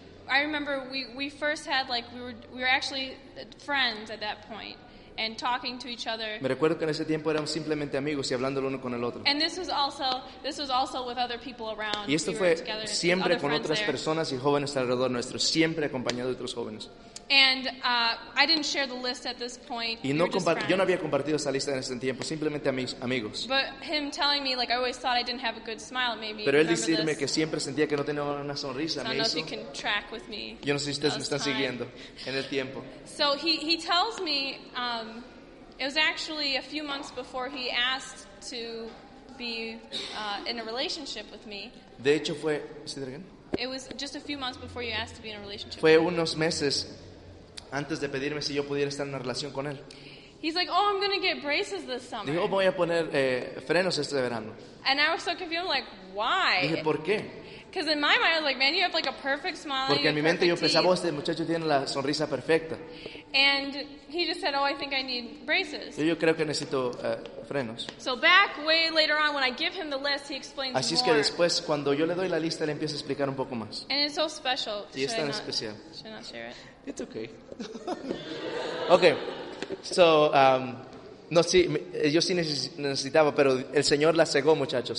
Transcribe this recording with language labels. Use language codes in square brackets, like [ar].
[en] I remember we first had like we were actually friends at that point and talking to each other. [es] Me recuerdo que en ese tiempo éramos simplemente amigos y hablando el uno con el otro. [en] And this was also with other people around. [es] Y esto [en] we [es] fue siempre con otras [en] there. [es] Personas y jóvenes alrededor nuestro, siempre acompañado de otros jóvenes. [en] And I didn't share the list at this point. [es] Y no yo no había compartido esa lista en ese tiempo, simplemente amigos. [en] But him telling me, like, I always thought I didn't have a good smile, maybe. [es] Pero él decirme que siempre sentía que no tenía una sonrisa, me hizo. [en] I don't know if you can track with me. [es] Yo no sé si ustedes me están siguiendo en el tiempo. [en] So he tells me, it was actually a few months before he asked to be in a relationship with me. [es] De hecho fue, ¿sí, Dragan? [en] It was just a few months before you asked to be in a relationship. [es] Fue unos meses antes de pedirme si yo pudiera estar en una relación con él. [en] He's like, oh, I'm going to get braces this summer. [es] Dijo, voy a poner frenos este verano. [en] And I was so confused, I'm like, why? [es] Dije, ¿por qué? [en] Because in my mind, I was like, man, you have like a perfect smile. [es] Porque en mi mente yo pensaba, este muchacho tiene la sonrisa perfecta. [en] And he just said, oh, I think I need braces. [es] Yo creo que necesito frenos. [en] So back way later on, when I give him the list, he explains more. [es] Así es que después, cuando yo le doy la lista, le empiezo a explicar un poco más. [en] And it's so special. [es] Y es tan especial. [en] Should I not share it? It's okay. Okay. [es] So, no, sí, yo sí necesitaba, pero el Señor la cegó, muchachos.